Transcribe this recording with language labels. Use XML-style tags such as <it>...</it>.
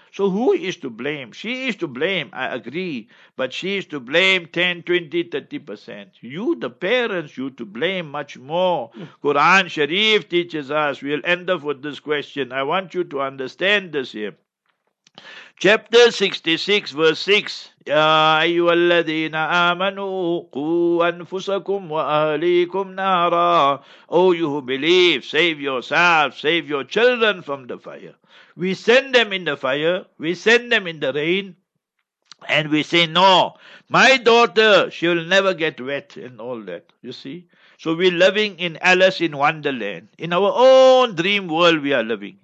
<en>So who is to blame? She is to blame, I agree. But she is to blame 10, 20, 30%. You, the parents, you to blame much more. Quran Sharif teaches us, we'll end up with this question. I want you to understand this here. Chapter 66, verse 6.</en> <ar>يا أيها الذين آمنوا قوا أنفسكم وأهليكم نارا.</ar> <en>Oh, you who believe, save yourself, save your children from the fire. We send them in the fire, we send them in the rain, and we say, no, my daughter, she will never get wet and all that, you see. So we're living in Alice in Wonderland. In our own dream world we are living.</en>